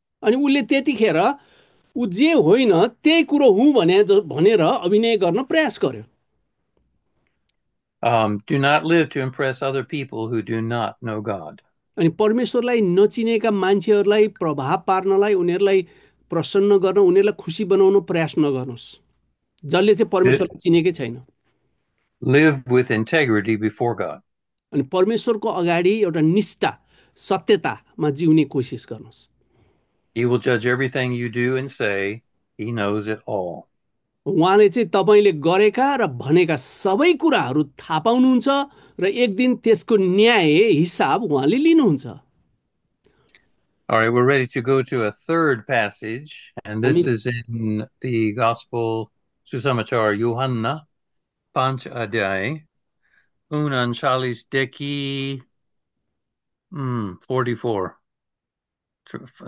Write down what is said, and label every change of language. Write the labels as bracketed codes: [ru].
[ne] अनि उसले त्यतिखेर ऊ जे होइन त्यही कुरो हुँ भनेर अभिनय गर्न प्रयास गर्यो। [en] Do not live to impress other people who do not know God. [ne] अनि परमेश्वरलाई नचिनेका मान्छेहरूलाई प्रभाव पार्नलाई, उनीहरूलाई प्रसन्न गर्न, उनीहरूलाई खुसी बनाउन प्रयास नगर्नुहोस् जसले चाहिँ परमेश्वरलाई चिनेकै छैन। [en] Live with integrity before God. [ne] अनि परमेश्वरको अगाडि एउटा निष्ठा, सत्यतामा जिउने कोसिस गर्नुहोस्। [en] He will judge everything you do and say. He knows it all. [ne] उहाँले चाहिँ तपाईँले गरेका र भनेका सबै कुराहरू थाहा पाउनुहुन्छ, र एक दिन त्यसको न्याय हिसाब उहाँले लिनुहुन्छ। [en] All right, we're ready to go to a third passage, and this [ne] हामी [en] is in the Gospel Susamachar, Yohanna, 5 [ne] अध्याय, 39 देखि 44, 44,